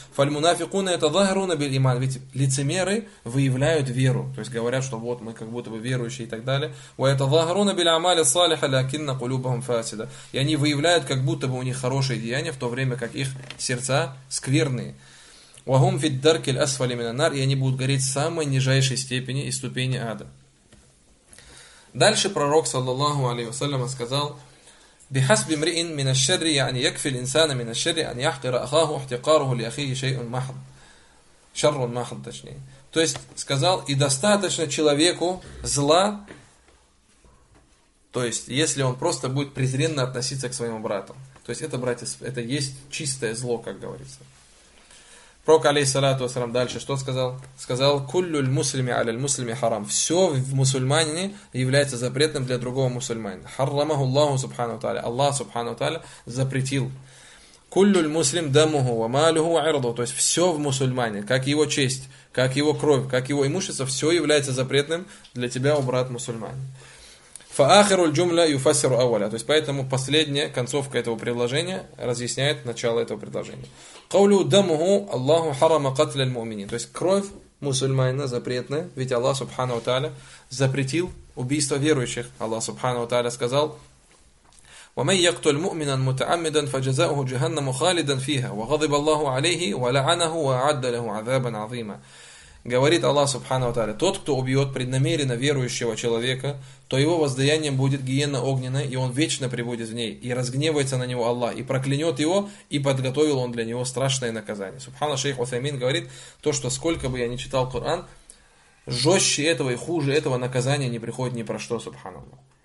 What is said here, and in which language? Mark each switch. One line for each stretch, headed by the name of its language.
Arabic: فالمنافقون يتظاهرون بالإيمان,
Russian: ведь лицемеры выявляют веру, то есть говорят, что вот мы как будто бы верующие и так далее.
Arabic: ويتظاهرون بالأعمال الصالحة لكن قلوبهم فاسدة,
Russian: и они выявляют, как будто бы у них хорошие деяния, в то время как их сердца скверные.
Arabic: وهم في الدرك الأسفل من النار,
Russian: и они будут гореть в самой нижайшей степени и ступени ада. Дальше пророк, саллаллаху алейхи ва саллям, сказал:
Arabic: بِحَسْبِ مْرِئٍ مِنَ الشَّرِّ يَعْنِ يَكْفِ الْإِنسَانَ مِنَ الشَّرِّ أَنْ يَحْتِرَ أَخَاهُ احْتِقَارُهُ لِأَخِيهِ شَيْءٌ مَحْضٌ شَرٌ مَحْضٌ, точнее.
Russian: То есть сказал, и достаточно человеку зла, то есть если он просто будет презренно относиться к своему брату. То есть это, братья, это есть чистое зло, как говорится. Пророк, алейхиссалату вассалам, дальше что сказал? Сказал,
Arabic: «Куллю л-муслими аля-муслими харам».
Russian: Все в мусульманине является запретным для другого мусульманина.
Arabic: «Харрамаху Аллаху субхану та'ля».
Russian: Аллах субхану та'ля запретил.
Arabic: «Куллю л-муслим дамуху ва малюху ва ирдуху».
Russian: То есть все в мусульмане, как его честь, как его кровь, как его имущество, все является запретным для тебя, у брат мусульманин.
Arabic: «Фаахиру л-джумля юфассиру ауаля».
Russian: То есть поэтому последняя концовка этого предложения разъясняет начало этого предложения.
Arabic: قوله دمه الله حرم قتل المؤمنين.
Russian: То есть кровь мусульманина запретная, ведь Аллах Субхана ва Тааля запретил убийство верующих. Аллах Субхана ва Тааля сказал:
Arabic: ومن يقتل مؤمنا متعمدا فجزاؤه جهنم خالدا فيها وغضب الله عليه ولعنه وأعد له عذابا عظيما.
Russian: Говорит Аллах Субхана ва Тааля: тот, кто убьет преднамеренно верующего человека, то его воздаянием будет гиенна огненная, и он вечно пребудет в ней, и разгневается на него Аллах, и проклянет его, и подготовил он для него страшное наказание. Субхана, шейх Усаймин говорит, то, что сколько бы я ни читал Коран, жестче этого и хуже этого наказания не приходит ни про что, субхана Аллах.